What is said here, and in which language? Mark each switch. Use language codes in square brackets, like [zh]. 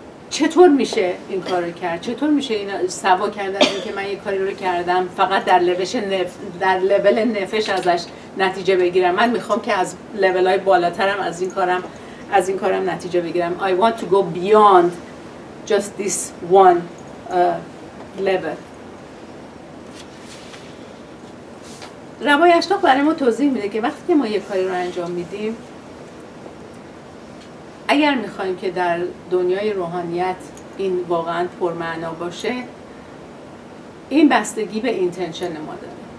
[fa] چطور میشه این کار رو کرد؟ چطور میشه این سوا کردن این که من یه کاری رو کردم فقط در لول نفش ازش نتیجه بگیرم؟ من میخوام که از لولهای بالاترم از این کارم نتیجه بگیرم. [en] I want to go beyond just this one level. [fa] ربای اشتاق برای ما توضیح میده که وقتی که ما یه کاری رو انجام میدیم، اگر میخواییم که در دنیای روحانیت این واقعا پرمعنا باشه، این بستگی به اینتنشن ما داره.